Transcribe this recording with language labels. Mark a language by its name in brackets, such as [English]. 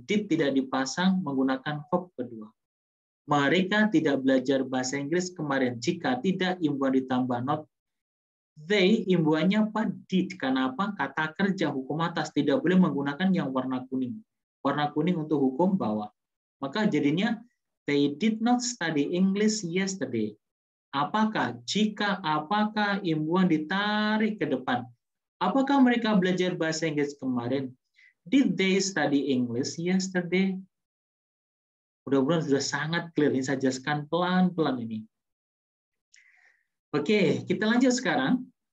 [Indonesian] Did tidak dipasang menggunakan verb kedua. Mereka tidak belajar bahasa Inggris kemarin. Jika tidak, imbuan ditambah not. They, imbuannya apa? Did. Kenapa? Kata kerja, hukum atas. Tidak boleh menggunakan yang warna kuning. Warna kuning untuk hukum bawah. Maka jadinya, [English] they did not study English yesterday. [Indonesian] Apakah, jika, apakah imbuan ditarik ke depan? Apakah mereka belajar bahasa Inggris kemarin? [English] Did they study English yesterday? [Indonesian] Mudah-mudahan sudah sangat clear. Ini saya jelaskan pelan-pelan ini. Oke, kita lanjut sekarang.